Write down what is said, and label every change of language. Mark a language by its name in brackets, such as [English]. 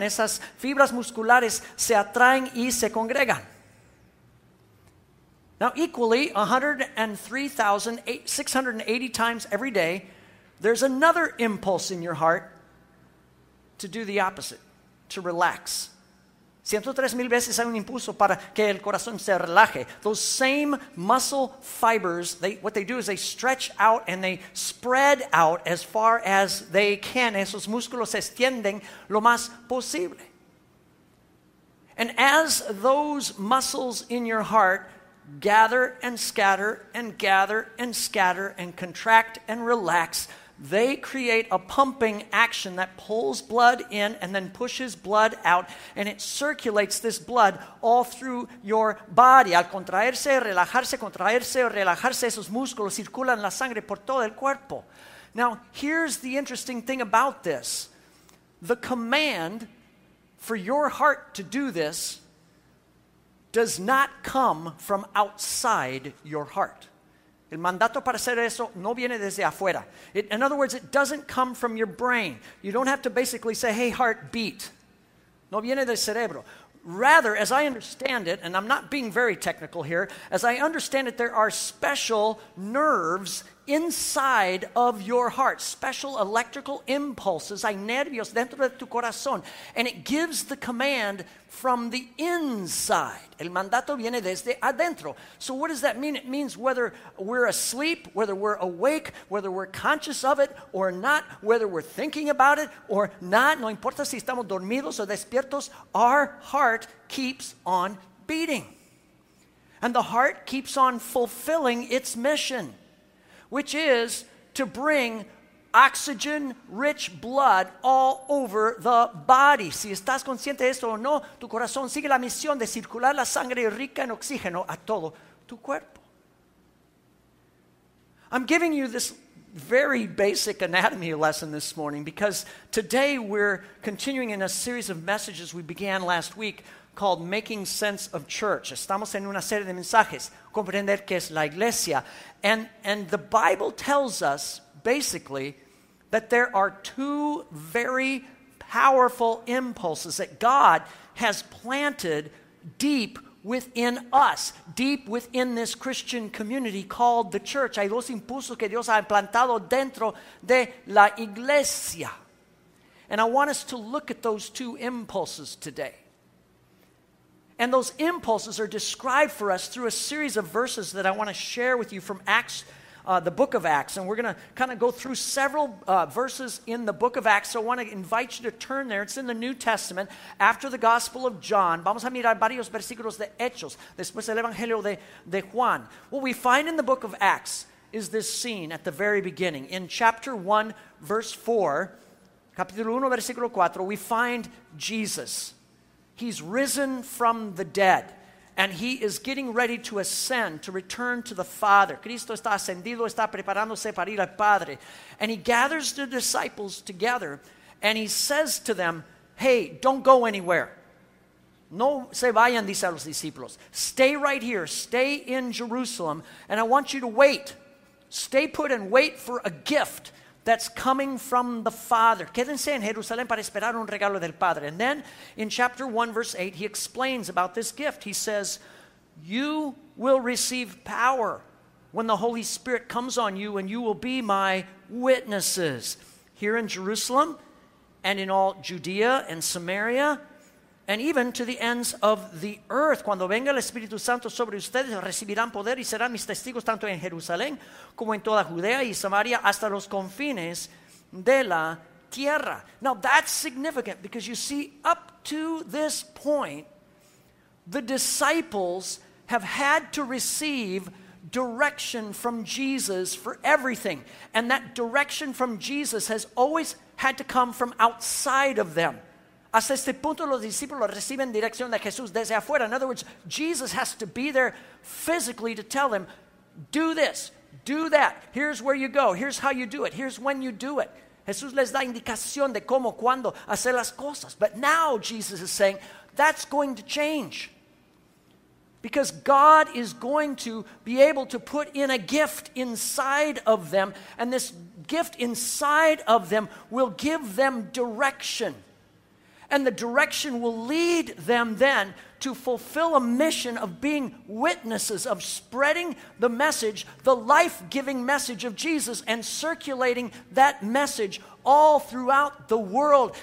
[Spanish] Esas fibras musculares se atraen y se congregan. [English] Now, equally, 103,680 times every day, there's another impulse in your heart to do the opposite, to relax. [Spanish] 103,000 veces hay un impulso para que el corazón se relaje. [English] Those same muscle fibers, what they do is they stretch out and they spread out as far as they can. [Spanish] Esos músculos se extienden lo más posible. [English] And as those muscles in your heart gather and scatter and gather and scatter and contract and relax, they create a pumping action that pulls blood in and then pushes blood out, and it circulates this blood all through your body. [Spanish] Al contraerse, relajarse, esos músculos circulan la sangre por todo el cuerpo. [English] Now, here's the interesting thing about this. The command for your heart to do this does not come from outside your heart. [Spanish] El mandato para hacer eso no viene desde afuera. [English] In other words, it doesn't come from your brain. You don't have to basically say, hey, heart, beat. [Spanish] No viene del cerebro. [English] Rather, as I understand it, and I'm not being very technical here, as I understand it, there are special nerves inside of your heart, special electrical impulses, [Spanish] hay nervios dentro de tu corazón, [English] and it gives the command from the inside. [Spanish] El mandato viene desde adentro. [English] So what does that mean? It means whether we're asleep, whether we're awake, whether we're conscious of it or not, whether we're thinking about it or not, [Spanish] no importa si estamos dormidos o despiertos, [English] our heart keeps on beating. And the heart keeps on fulfilling its mission, which is to bring oxygen-rich blood all over the body. [Spanish] Si estás consciente de esto o no, tu corazón sigue la misión de circular la sangre rica en oxígeno a todo tu cuerpo. [English] I'm giving you this very basic anatomy lesson this morning because today we're continuing in a series of messages we began last week called Making Sense of Church. [Spanish] Estamos en una serie de mensajes, comprender qué es la iglesia. [English] And the Bible tells us, basically, that there are two very powerful impulses that God has planted deep within us, deep within this Christian community called the church. [Spanish] Hay dos impulsos que Dios ha implantado dentro de la iglesia. [English] And I want us to look at those two impulses today. And those impulses are described for us through a series of verses that I want to share with you from Acts, the book of Acts. And we're going to kind of go through several verses in the book of Acts. So I want to invite you to turn there. It's in the New Testament, after the Gospel of John. [Spanish] Vamos a mirar varios versículos de Hechos, después del Evangelio de Juan. [English] What we find in the book of Acts is this scene at the very beginning. In chapter 1, verse 4, [Spanish] capítulo 1, versículo 4, [English] we find Jesus. He's risen from the dead, and he is getting ready to ascend, to return to the Father. [Spanish] Cristo está ascendido, está preparándose para ir al Padre. [English] And he gathers the disciples together, and he says to them, hey, don't go anywhere. [Spanish] No se vayan, dice a los discípulos. [English] Stay right here. Stay in Jerusalem, and I want you to wait. Stay put and wait for a gift that's coming from the Father. [Spanish] Quédense en Jerusalén para esperar un regalo del Padre. [English] And then in chapter 1, verse 8, he explains about this gift. He says, you will receive power when the Holy Spirit comes on you, and you will be my witnesses here in Jerusalem and in all Judea and Samaria, and even to the ends of the earth. [Spanish] Cuando venga el Espíritu Santo sobre ustedes, recibirán poder y serán mis testigos tanto en Jerusalén como en toda Judea y Samaria hasta los confines de la tierra. [English] Now that's significant because you see, up to this point, the disciples have had to receive direction from Jesus for everything. And that direction from Jesus has always had to come from outside of them. [Spanish] Hasta este punto los discípulos reciben dirección de Jesús desde afuera. [English] In other words, Jesus has to be there physically to tell them, do this, do that. Here's where you go. Here's how you do it. Here's when you do it. [Spanish] Jesús les da indicación de cómo, cuándo hacer las cosas. [English] But now Jesus is saying, that's going to change. Because God is going to be able to put in a gift inside of them. And this gift inside of them will give them direction. And the direction will lead them then to fulfill a mission of being witnesses, of spreading the message, the life-giving message of Jesus, and circulating that message all throughout the world.